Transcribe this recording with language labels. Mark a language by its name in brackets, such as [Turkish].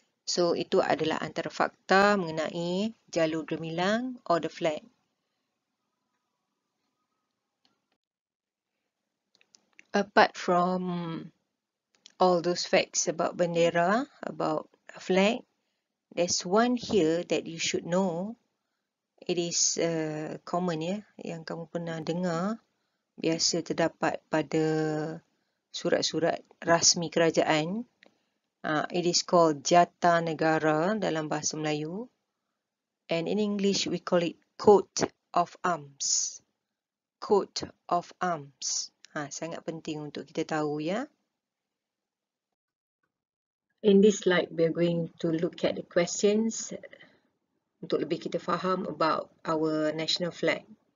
[Malay] So, itu adalah antara fakta mengenai jalur gemilang [English] or the flag. Apart from all those facts about [Malay] bendera, [English] about flag, there's one here that you should know. It is common, [Malay] ya, yang kamu pernah dengar. Biasa terdapat pada surat-surat rasmi kerajaan. [English] It is called Jata Negara [Malay] dalam bahasa Melayu. [English] And in English, we call it Coat of Arms. [Malay] Coat of Arms. Sangat penting untuk kita tahu, ya. [English] In this slide, we are going to look at the questions [Malay] untuk lebih kita faham [English] about our national flag.